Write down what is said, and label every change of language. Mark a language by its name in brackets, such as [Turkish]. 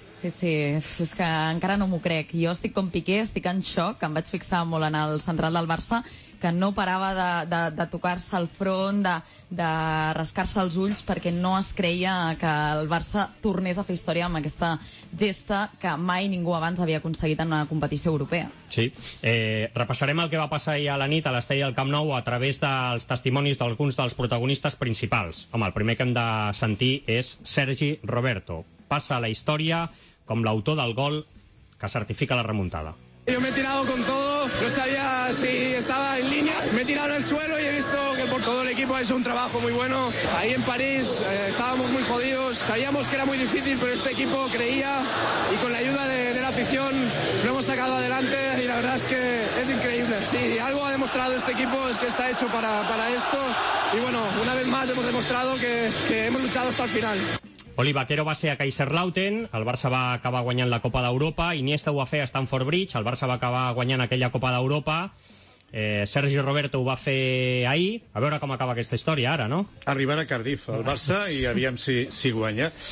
[Catalan] Sí, és que encara no m'ho crec. Jo estic com Piqué, estic en xoc, em vaig fixar molt en el central del Barça, que no parava de tocar-se el front, de rascar-se els ulls, perquè no es creia que el Barça tornés a fer història amb aquesta gesta que mai ningú abans havia aconseguit en una competició europea. Sí. Repassarem el que va passar ahir a la nit a l'Estadi del Camp Nou a través dels testimonis d'alguns dels protagonistes principals. Home, el primer que hem de sentir és Sergi Roberto. [Spanish] Pasa a la historia como el autor del gol que certifica la remontada. Yo me he tirado con todo, no sabía si estaba en línea. Me he tirado en el suelo y he visto que por todo el equipo ha hecho un trabajo muy bueno. Ahí en París estábamos muy jodidos, sabíamos que era muy difícil, pero este equipo creía y con la ayuda de la afición lo hemos sacado adelante y la verdad es que es increíble. Si algo ha demostrado este equipo es que está hecho para esto y bueno, una vez más hemos demostrado que hemos luchado hasta el final. [Catalan] Oli Vaquero va ser a Kaiserslautern, el Barça va acabar guanyant la Copa d'Europa, Iniesta ho va fer a Stamford Bridge, el Barça va acabar guanyant aquella Copa d'Europa, Sergi Roberto ho va fer ahir, a veure com acaba aquesta història ara, no? Arribar a Cardiff, el Barça, i aviam si guanya.